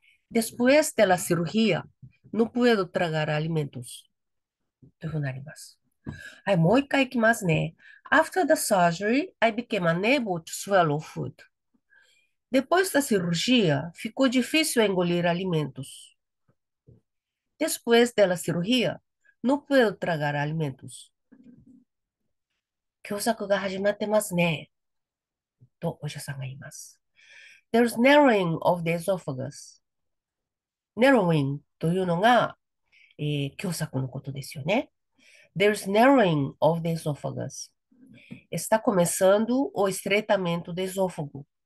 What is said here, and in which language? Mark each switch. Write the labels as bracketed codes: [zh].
[es] Después de la cirugía, no puedo tragar alimentos. [ja] というふうになります。はい、もう一回いきますね。 [en] After the surgery, I became unable to swallow food. [pt] Depois da cirurgia, ficou difícil engolir alimentos. [es] Después de la cirugía, no puedo tragar alimentos. [ja] 狭窄が始まってますね。と、お医者さんが言います。 [en] There is narrowing of the esophagus. Narrowing [ja] というのが、狭窄のことですよね。 [en] There is narrowing of the esophagus. [pt] Está começando o estreitamento do esôfago.